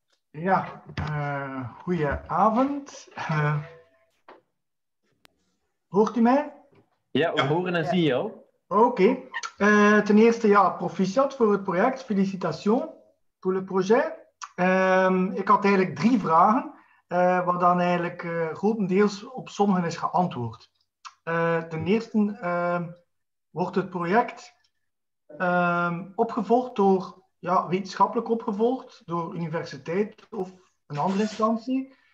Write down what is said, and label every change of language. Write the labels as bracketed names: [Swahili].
[Dutch] Ja, goeie avond. Hoort u mij? Ja, we horen en zien jou. Oké. Ten eerste, ja, proficiat voor het project. [French] Félicitations pour le projet. [Dutch] Ik had eigenlijk drie vragen, waar dan eigenlijk grotendeels op sommigen is geantwoord. Ten eerste, wordt het project opgevolgd door... Ja, wetenschappelijk opgevolgd door universiteit of een andere instantie.